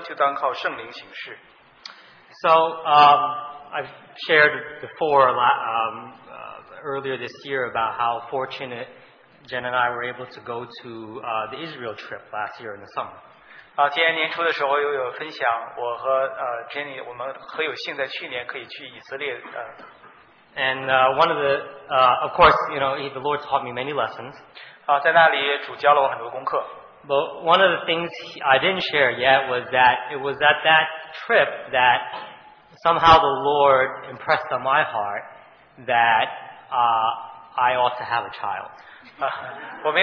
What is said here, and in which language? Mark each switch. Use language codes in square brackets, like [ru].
[zh] 凡属基督耶稣的人已经把肉体连肉体的邪情私欲同定在十字架上了。我们若是靠圣灵得生，就当靠圣灵行事。So [en] I've shared before earlier this year about how fortunate Jen and I were able to go to the Israel trip last year in the summer. [zh] 今年年初的时候又有分享，我和 Jenny 我们很有幸在去年可以去以色列。 [en] And one of the, of course, you know, the Lord taught me many lessons. [zh] 在那里主教了我很多功课. [en] But one of the things I didn't share yet was that it was at that trip that somehow the Lord impressed on my heart that I ought to have a child.